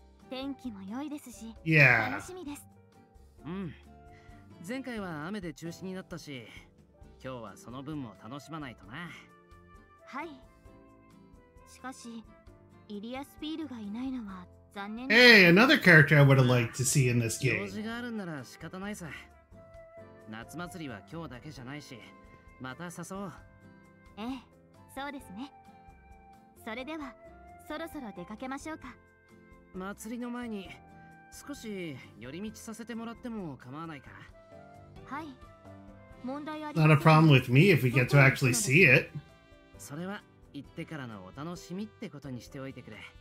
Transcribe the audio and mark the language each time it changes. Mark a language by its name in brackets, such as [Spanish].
[Japanese] 天気も良いですし、楽しみです。うん。前回は雨で中止になったし、今日はその分も楽しまないとな。はい。しかし、イリアスピールがいないのは。 [English] Hey, another character I would have liked to see in this game. [Japanese] 用事があるんなら仕方ないさ。夏祭りは今日だけじゃないし、また誘おう。ええ、そうですね。それでは、そろそろ出かけましょうか。祭りの前に、少し寄り道させてもらっても構わないか。はい。問題ありません [English] Not a problem with me if we get to actually see it. [Japanese] それは、行ってからのお楽しみってことにしておいてくれ。